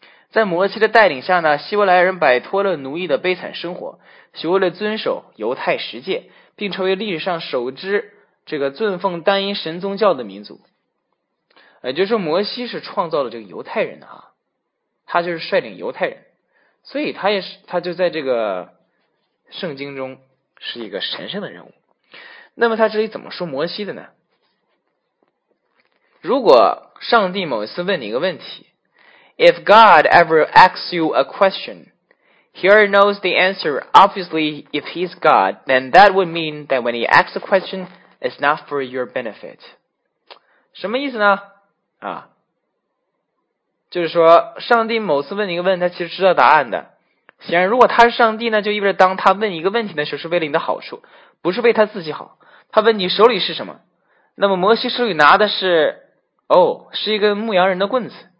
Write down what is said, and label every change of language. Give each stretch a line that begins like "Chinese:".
Chinese: 在摩西的带领下呢，希伯来人摆脱了奴役的悲惨生活，学会了遵守犹太十诫，并成为历史上首支这个尊奉单一神宗教的民族。也就是说，摩西是创造了这个犹太人的啊。他就是率领犹太人，所以他就在这个圣经中是一个神圣的人物。那么他这里怎么说摩西的呢？如果上帝某一次问你一个问题
English: ，If God ever asks you a question, He already knows the answer. Obviously, if He's God, then that would mean that when He asks a question, it's not for your benefit.
Chinese: 什么意思呢？啊？就是说上帝某次问你一个问题，他其实知道答案的。显然如果他是上帝呢，就意味着当他问一个问题的时候是为了你的好处，不是为他自己好。他问你手里是什么，那么摩西手里拿的是是一根牧羊人的棍子。